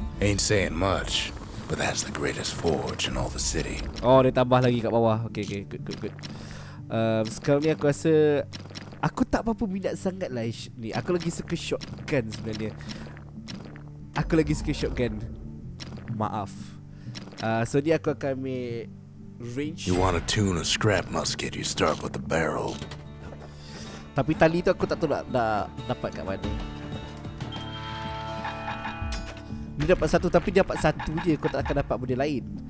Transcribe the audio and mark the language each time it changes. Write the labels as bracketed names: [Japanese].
[English] Ain't saying much, but that's the greatest forge in all the city. [Malay] Oh, dia tambah lagi kat bawah. [English] Okay, okay, good, good, good. [Malay] Sekarang ni aku rasa aku tak apa-apa minat sangat lah ni. Aku lagi suka shotgun sebenarnya. Aku lagi suka shotgun. Maaf. So ni aku akan ambil range. [English] You want to tune a scrap musket, you start with the barrel. [Malay] Tapi tali tu aku tak tahu nak dapat kat mana. Ni dapat satu, tapi dapat satu je. Kau tak akan dapat benda lain.